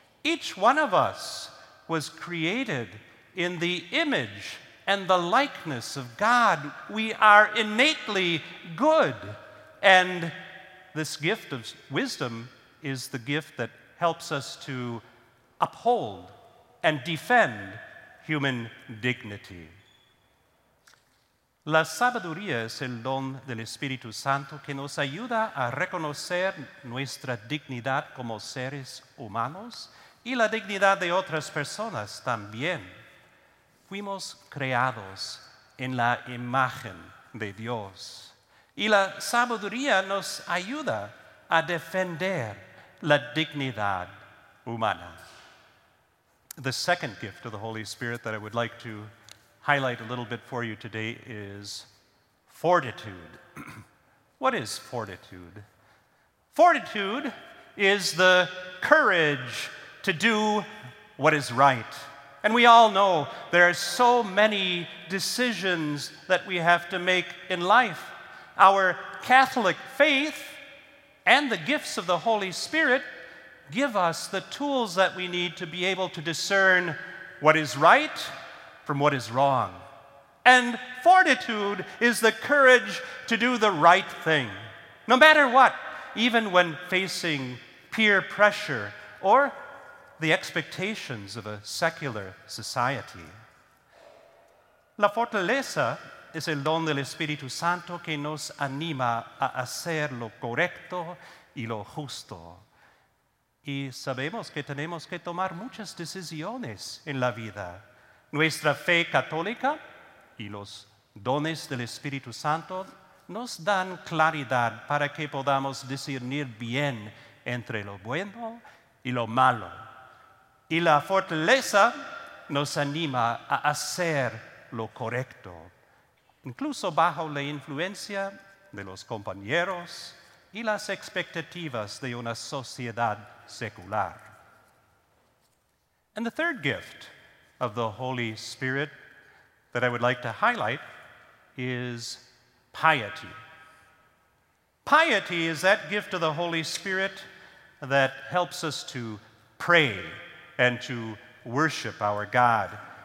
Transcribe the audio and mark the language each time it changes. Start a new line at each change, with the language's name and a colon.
English: Each one of us was created in the image and the likeness of God. We are innately good. And this gift of wisdom is the gift that helps us to uphold and defend human dignity.
Spanish: La sabiduría es el don del Espíritu Santo que nos ayuda a reconocer nuestra dignidad como seres humanos y la dignidad de otras personas también. Fuimos creados en la imagen de Dios. Y la sabiduría nos ayuda a defender la dignidad humana.
English: The second gift of the Holy Spirit that I would like to highlight a little bit for you today is fortitude. What is fortitude? Fortitude is the courage to do what is right. And we all know there are so many decisions that we have to make in life. Our Catholic faith and the gifts of the Holy Spirit give us the tools that we need to be able to discern what is right from what is wrong. And fortitude is the courage to do the right thing, no matter what, even when facing peer pressure or the expectations of a secular society.
Spanish: La fortaleza es el don del Espíritu Santo que nos anima a hacer lo correcto y lo justo. Y sabemos que tenemos que tomar muchas decisiones en la vida. Nuestra fe católica y los dones del Espíritu Santo nos dan claridad para que podamos discernir bien entre lo bueno y lo malo. Y la fortaleza nos anima a hacer lo correcto, incluso bajo la influencia de los compañeros y las expectativas de una sociedad secular.
English: And the third gift of the Holy Spirit that I would like to highlight is piety. Piety is that gift of the Holy Spirit that helps us to pray and to worship our God.